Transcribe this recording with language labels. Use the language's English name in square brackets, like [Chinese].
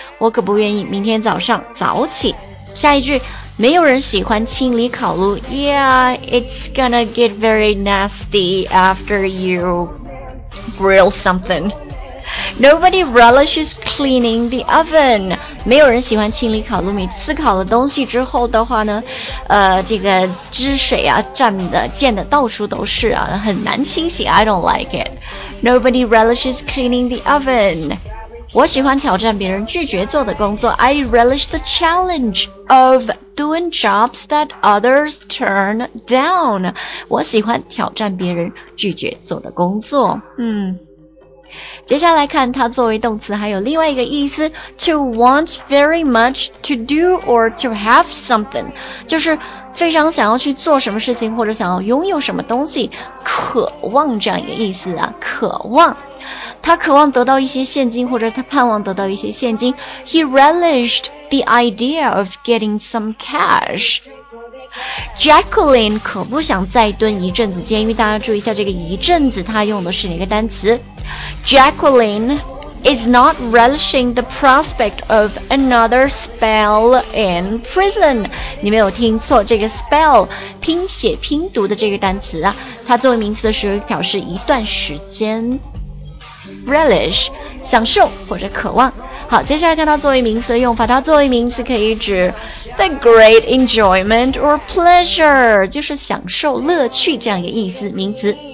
[Chinese] 我可不愿意明天早上早起。下一句，没有人喜欢清理烤炉。 [English] Yeah, it's gonna get very nasty after you grill something. Nobody relishes cleaning the oven. [Chinese] 没有人喜欢清理烤炉，每次烤了东西之后的话呢，这个汁水啊，沾的溅的到处都是啊，很难清洗。 [English] I don't like it. Nobody relishes cleaning the oven. [Chinese] 我喜欢挑战别人拒绝做的工作， [English] I relish the challenge of doing jobs that others turn down. [Chinese] 我喜欢挑战别人拒绝做的工作。接下来看它作为动词还有另外一个意思， [English] to want very much to do or to have something, [Chinese] 就是非常想要去做什么事情或者想要拥有什么东西，渴望，这样一个意思啊，渴望。他渴望得到一些现金，或者他盼望得到一些现金。 [English] He relished the idea of getting some cash. [Chinese] Jacqueline 可不想再蹲一阵子，建议大家注意一下这个一阵子，他用的是哪个单词。 [English] Jacqueline is not relishing the prospect of another spell in prison. [Chinese] 你没有听错，这个 spell 拼写拼读的这个单词啊，它作为名词的时候表示一段时间。 Relish, 享受或者渴望。好，接下来看它作为名词的用法，它作为名词可以指 [English] the great enjoyment or pleasure, [Chinese] 就是享受乐趣这样一个意思，名词。